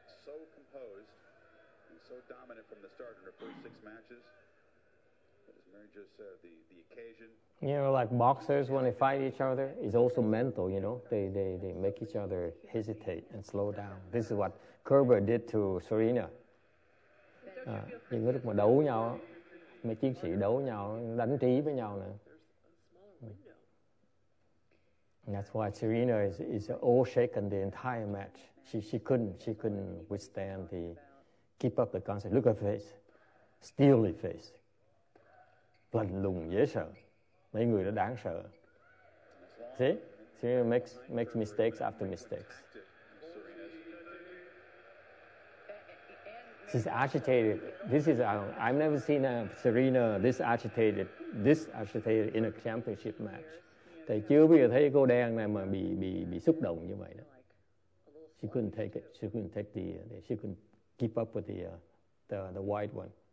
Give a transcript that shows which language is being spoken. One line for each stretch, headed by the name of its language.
English: So composed and so dominant from the start in her first six matches. But as Mary just said, the occasion. You know, like boxers when they fight each other, it's also mental, you know. They make each other hesitate and slow down. This is what Kerber did to Serena.
Vietnamese: Những lúc mà đấu nhau, mấy chiến sĩ đấu nhau, đánh trí với nhau nè.
English: That's why Serena is all shaken the entire match. She couldn't withstand the keep up the concept. Look at her face, steely face,
Vietnamese: lạnh lùng dễ sợ. Mấy người đó đáng sợ.
English: See, Serena makes mistakes after mistakes. She's agitated. This is I've never seen a Serena this agitated in a championship match.
Vietnamese: Thầy chưa bao giờ thấy cô đen này mà bị xúc động như vậy đó.
English: She couldn't take it. She couldn't take the she couldn't keep up with the white one.